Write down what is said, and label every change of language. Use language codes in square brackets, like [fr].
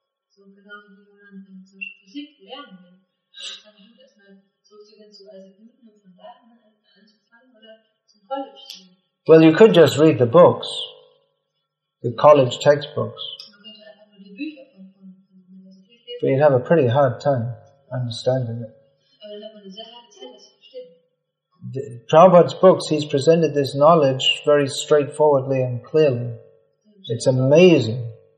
[de] So genau wie man dann zum Beispiel Physik lernen will, kann man erstmal zurückgehen zu Isaac Newton und von da anzufangen oder zum College zu gehen. [en] Well, you could just read the books, the college textbooks. [de] Man könnte einfach nur die Bücher von der Universität lesen. [en] But you'd have a pretty hard time understanding it. Prabhupada's books, he's presented this knowledge very straightforwardly and clearly. It's amazing.